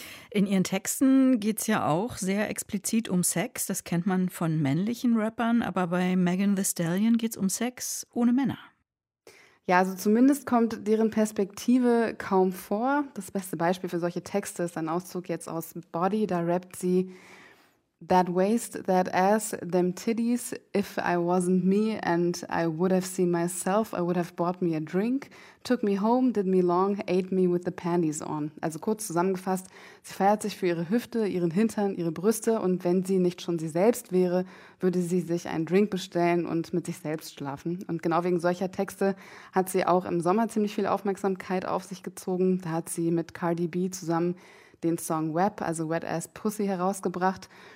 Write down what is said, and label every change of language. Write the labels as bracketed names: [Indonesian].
[German] In ihren Texten geht es ja auch sehr explizit um Sex. Das kennt man von männlichen Rappern, aber bei Megan Thee Stallion geht es um Sex ohne Männer. Ja, also zumindest kommt deren Perspektive kaum vor. Das beste Beispiel für solche Texte ist ein Auszug jetzt aus Body. Da rappt sie: [English] That waist, that ass, them titties. If I wasn't me and I would have seen myself, I would have bought me a drink. Took me home, did me long, ate me with the panties on. [German] Also kurz zusammengefasst, sie feiert sich für ihre Hüfte, ihren Hintern, ihre Brüste. Und wenn sie nicht schon sie selbst wäre, würde sie sich einen Drink bestellen und mit sich selbst schlafen. Und genau wegen solcher Texte hat sie auch im Sommer ziemlich viel Aufmerksamkeit auf sich gezogen. Da hat sie mit Cardi B zusammen den Song WAP, also Wet Ass Pussy, herausgebracht.